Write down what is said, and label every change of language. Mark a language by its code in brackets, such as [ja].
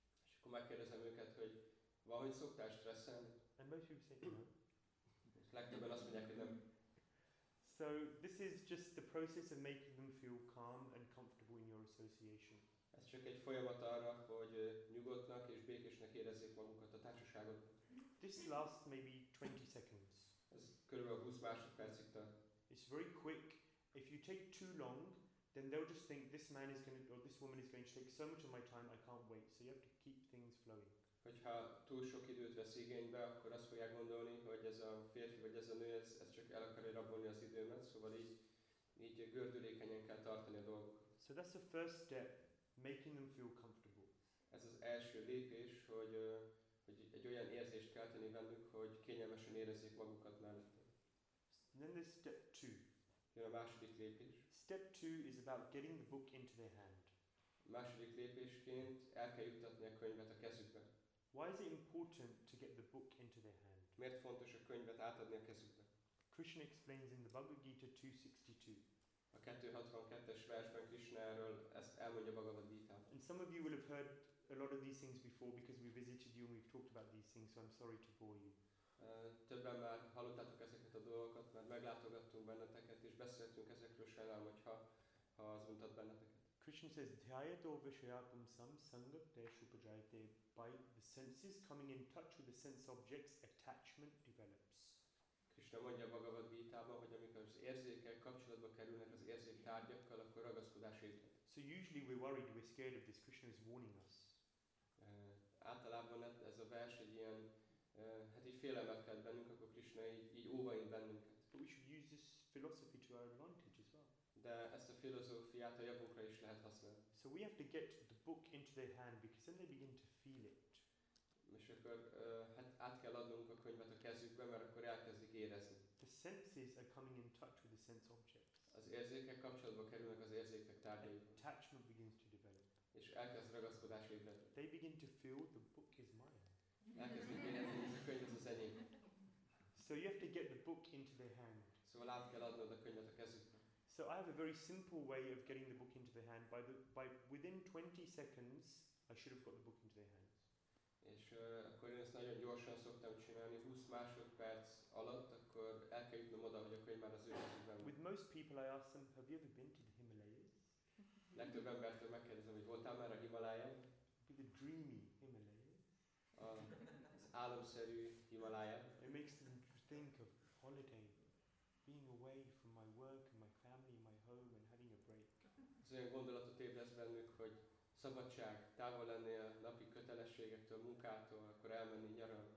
[hu] És akkor megkérdezem őket, hogy valahogy szoktál stresszelni? [en] And most people say no. [hu] Legtöbben azt mondják, hogy nem. [en] So this is just the process of making them feel calm and comfortable in your association. [hu] Ez csak egy folyamat arra, hogy nyugodtnak és békésnek érezzék magukat a társaságot. [en] This lasts maybe 20 seconds. [hu] Ez körülbelül 20 másodpercig tart. [en] It's very quick. If you take too long, then they'll just think this man is going to, or this woman is going to take so much of my time, I can't wait. So you have to keep things flowing. [hu] Hogyha túl sok időt vesz igénybe, akkor azt fogják gondolni, hogy ez a férfi vagy ez a nő, ez csak el akarja rabolni az időmet, szóval így gördülékenyen kell tartani a dolgokat. [en] So that's the first step, making them feel comfortable. [hu] Ez az első lépés, hogy egy olyan érzést kell tenni bennük, hogy kényelmesen érezzék magukat mellett. [en] Then there's step two. [hu] Jön a második lépés. [en] Step two is about getting the book into their hand. [hu] Második lépésként el kell juttatni a könyvet a kezükbe. [en] Why is it important to get the book into their hand? [hu] Miért fontos a könyvet átadni a kezükbe? [en] Krishna explains in the Bhagavad Gita 262. [hu] A 262-es versben Krishna erről ezt elmondja Bhagavad Gita-ban. [en] And some of you will have heard a lot of these things before because we visited you and we've talked about these things, so I'm sorry to bore you. [hu] Többen már hallottátok ezeket a dolgokat, mert meglátogattunk benneteket és beszéltünk ezekről, sajnálom, hogyha az untat benneteket. [en] Krishna says, [sa] dhyayato vishayakam sam sangat te shupajayate. [en] By the senses coming in touch with the sense objects, attachment develops. [hu] Krishna mondja a Bhagavad Gita-ban, hogy amikor az érzékek kapcsolatba kerülnek az érzék tárgyakkal, akkor ragaszkodás érhet. [en] So usually we're worried, we're scared of this. Krishna is warning us. [hu] Általában ez a vers egy ilyen, hát így félelmet kelt bennünk, akkor Krishna így óvaint bennünket. [en] But we should use this philosophy to our advantage as well. [hu] De ezt a filozófiát a javunkra is lehet használni. [en] So we have to get the book into their hand because then they begin to feel it. [hu] És akkor hát át kell adnunk a könyvet a kezükbe, mert akkor elkezdik érezni. [en] The senses are coming in touch with the sense objects. [hu] Az érzékek kapcsolatba kerülnek az érzékek tárgyaival. [en] Attachment begins to develop. [hu] És elkezd ragaszkodás ébredni. [en] They begin to feel the book is mine. [hu] Elkezdik érezni, hogy a könyv az enyém. [en] So you have to get the book into their hand. [hu] Szóval át kell adnod a könyvet a kezükbe. [en] So I have a very simple way of getting the book into their hand. By within 20 seconds, I should have got the book into their hands. [hu] És akkor én ezt nagyon gyorsan szoktam csinálni. 20 másodperc alatt, akkor el kell jutnom oda, hogy a könyv már az ő kezükben. [en] With most people, I ask them, have you ever been to the Himalayas? [hu] Legtöbb embertől megkérdezem, hogy voltál már a Himalayán? [en] The dreamy Himalayas. [hu] Az álomszerű Himalaya. [en] It makes them think of holiday. Being away from my work and my family and my home and having a break. [hu] Ez olyan gondolatot ébresz bennük, hogy szabadság, távol lenni a napi kötelességektől, munkától, akkor elmenni nyaralni.